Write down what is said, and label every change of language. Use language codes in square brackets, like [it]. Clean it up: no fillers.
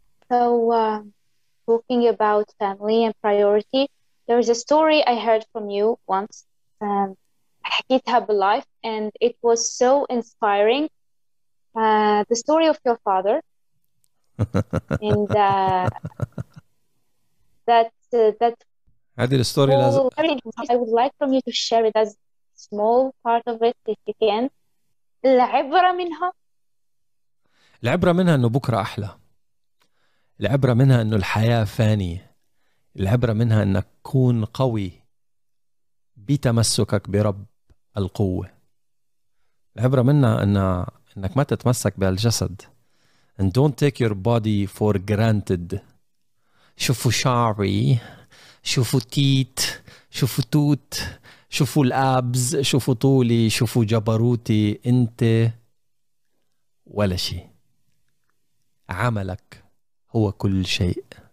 [en] So talking about family and priority, there is a story I heard from you once, and it had a life, and it was so inspiring. The story of your father and that [ar] هذه الستوري لازم. [en] I would like from you to share it as small part of it if you can. [ar] العبرة منها. العبرة منها إنه بكرة أحلى. العبرة منها إنه الحياة فانية. العبرة منها إنك تكون قوي بتمسكك برب القوة. العبرة منها إنك ما تتمسك بالجسد. [en] And don't take your body for granted. [ar] شوفوا شعري. شوفوا تيت، شوفوا توت، شوفوا الأبز، شوفوا طولي، شوفوا جبروتي، أنت ولا شيء. عملك هو كل شيء.